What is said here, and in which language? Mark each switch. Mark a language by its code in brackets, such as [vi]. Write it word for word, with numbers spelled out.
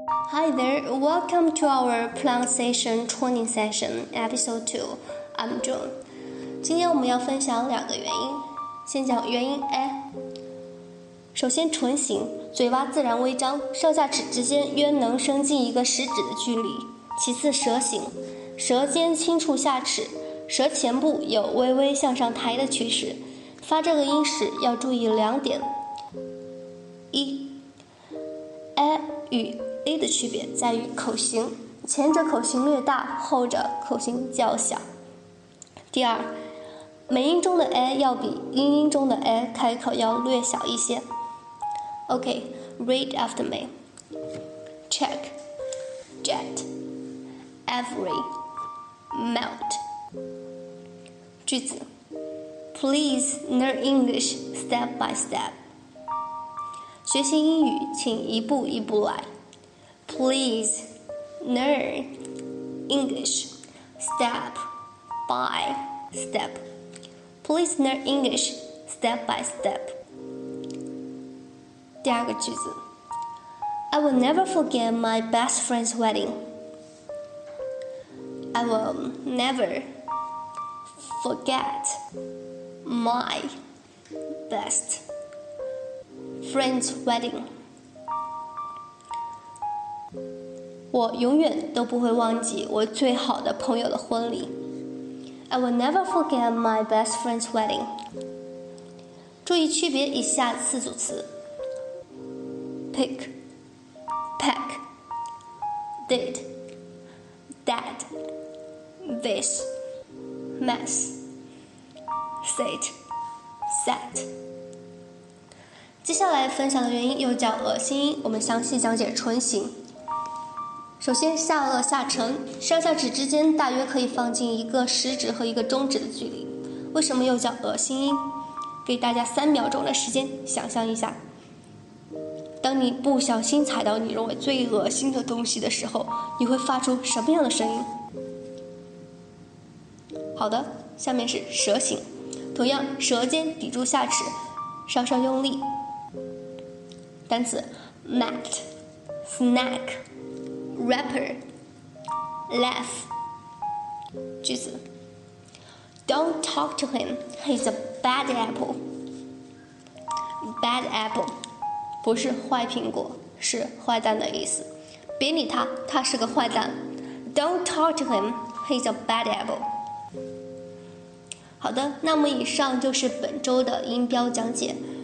[en] Hi there, welcome to our pronunciation training session, episode two. I'm June. [zh] 今天我们要分享两个原因，先讲原因 A。首先，唇形，嘴巴自然微张，上下齿之间约能伸进一个食指的距离。其次，舌形，舌尖轻触下齿，舌前部有微微向上抬的趋势。发这个音时要注意两点：一 ，a 与 a 的区别在于口型，前者口型略大，后者口型较小。第二，美音中的 a 要比英音中的 a 开口要略小一些。 [en] Okay, read after me. Check, jet, every, melt. 句子。 Please learn English step by step. [zh] 学习英语请一步一步来。 [en] Please learn English step by step. Please learn English step by step. [zh] 第二个句子。 [en] I will never forget my best friend's wedding. I will never forget. My best friend's wedding. [zh] 我永远都不会忘记我最好的朋友的婚礼。 [en] I will never forget my best friend's wedding. [zh] 注意区别以下四组词 [en] Pick, pack, did, dad, this, mess. Set, set. [zh] 接下来分享的元音又叫恶心音，我们详细讲解唇形。首先，下颚下沉，上下齿之间大约可以放进一个食指和一个中指的距离。为什么又叫恶心音？给大家三秒钟的时间想象一下，当你不小心踩到你认为最恶心的东西的时候，你会发出什么样的声音？好的，下面是舌形。同样，舌尖抵住下齿，稍稍用力。 [en] 单词 mat, snack, rapper, laugh. 句子 Don't talk to him. He's a bad apple. [zh] Bad apple 不是坏苹果，是坏蛋的意思。别理他，他是个坏蛋。 [en] Don't talk to him. He's a bad apple. [zh] 好的，那么以上就是本周的音标讲解。